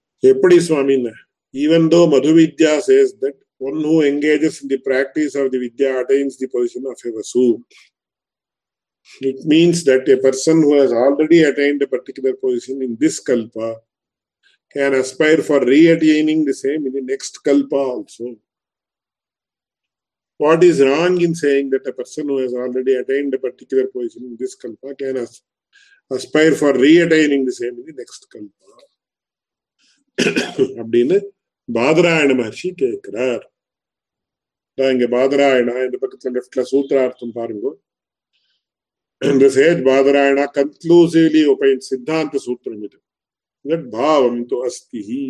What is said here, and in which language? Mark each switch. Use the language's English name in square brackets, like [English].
[Tamil] எப்படி சுவாமி? [English] Even though Madhu Vidya says that one who engages in the practice of the Vidya attains the position of a Vasu. It means that a person who has already attained a particular position in this kalpa can aspire for reattaining the same in the next kalpa also. What is wrong in saying that a person who has already attained a particular position in this kalpa can aspire for re-attaining the same in the next kalpa? [Tamil] அப்படின்னு பாதராயண மகர்ஷி கேட்கிறார். இங்க பாதராயணா இந்த பக்கத்துல லெப்ட்ல சூத்திரார்த்தம் பாருங்க. பாதராயணா conclusively உபயன் சித்தாந்த சூத்திரம் இது. [Sanskrit] பாவம் தோ அஸ்தி.